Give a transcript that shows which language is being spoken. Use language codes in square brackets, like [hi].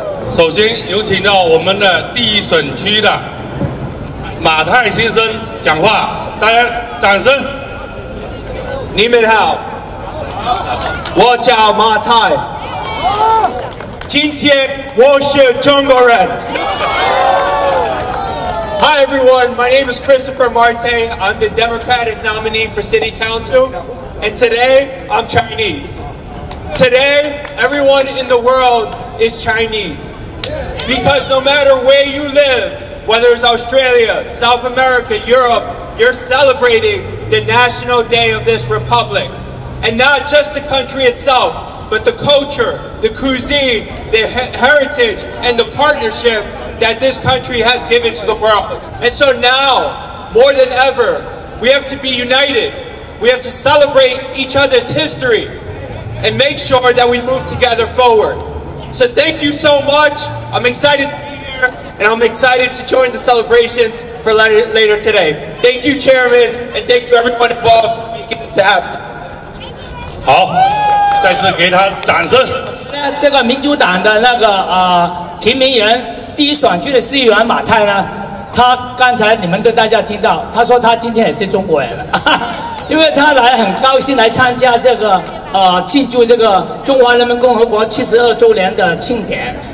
[zh] 首先有请到我们的第一选区的马泰先生讲话，大家掌声。你们好，我叫马泰，今天我是中国人。 [en] Hi everyone, my name is Christopher Marte. I'm the Democratic nominee for City Council, and today I'm Chinese. Today, everyone in the world is Chinese. Because no matter where you live, whether it's Australia, South America, Europe, you're celebrating the National Day of this Republic. And not just the country itself, but the culture, the cuisine, the heritage, and the partnership that this country has given to the world. And so now, more than ever, we have to be united. We have to celebrate each other's history and make sure that we move together forward. So thank you so much. I'm excited to be here and I'm excited to join the celebrations for later today. Thank you, Chairman, and thank you everyone involved for making this happen. [zh] 好，再次给他掌声。这个民主党的那个提名人第一选区的市议员马泰呢，他刚才你们都大家听到，他说他今天也是中国人了，因为他来很高兴来参加这个庆祝这个中华人民共和国72周年的庆典。